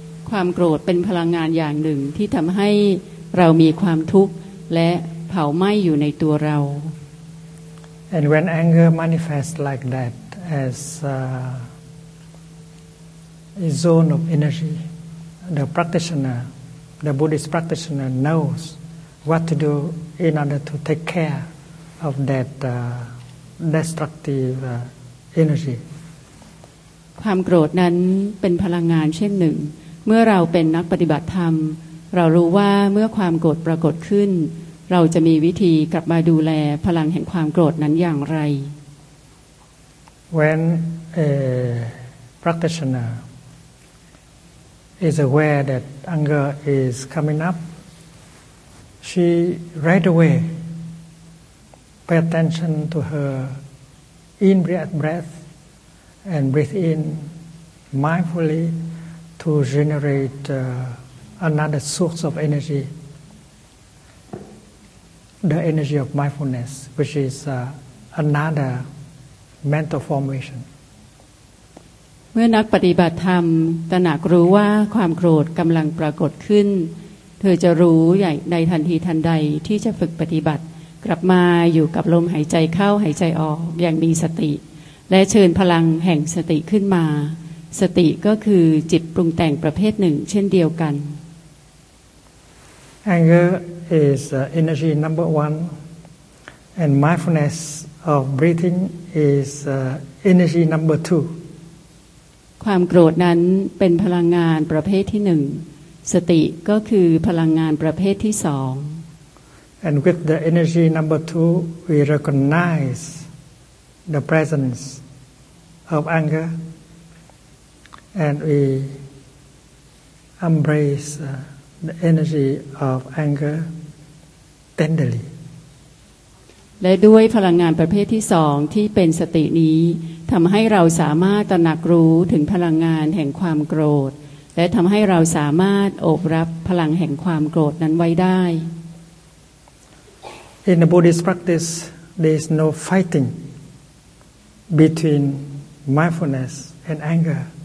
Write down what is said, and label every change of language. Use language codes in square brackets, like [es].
[th] ความโกรธเป็นพลังงานอย่างหนึ่งที่ทำให้เรามีความทุกข์และเผาไหม้อยู่ในตัวเรา [en] And when anger manifests like that as a zone of energy, the practitioner, the Buddhist practitioner knows what to do in order to take care of that destructive energy. [th] ความโกรธนั้นเป็นพลังงานเช่นหนึ่งเมื่อเราเป็นนักปฏิบัติธรรมเรารู้ว่าเมื่อความโกรธปรากฏขึ้นเราจะมีวิธีกลับมาดูแลพลังแห่งความโกรธนั้นอย่างไร [en] When a practitioner is aware that anger is coming up, she right away pay attention to her in-breath breath and breathe in mindfully to generate another source of energy. The energy of mindfulness, which is another mental formation. [th] เมื่อนักปฏิบัติธรรมตระหนักรู้ว่าความโกรธกำลังปรากฏขึ้นเธอจะรู้ใหญ่ในทันทีทันใดที่จะฝึกปฏิบัติกลับมาอยู่กับลมหายใจเข้าหายใจออกอย่างมีสติและเชิญพลังแห่งสติขึ้นมาสติก็คือจิตปรุงแต่งประเภทหนึ่งเช่นเดียวกัน [en] Anger is energy number one, and mindfulness of breathing is energy number two. [th] ความโกรธนั้นเป็นพลังงานประเภทที่หนึ่งสติก็คือพลังงานประเภทที่สอง [en] And with the energy number two, we recognize the presence of anger, and we embrace. The energy of anger tenderly. [th] และด้วยพลังงานประเภทที่สองที่เป็นสตินี้ทำให้เราสามารถตระหนักรู้ถึงพลังงานแห่งความโกรธและทำให้เราสามารถโอบรับพลังแห่งความโกรธนั้นไว้ได้ [en] In the Buddhist practice, there is no fighting between mindfulness and anger.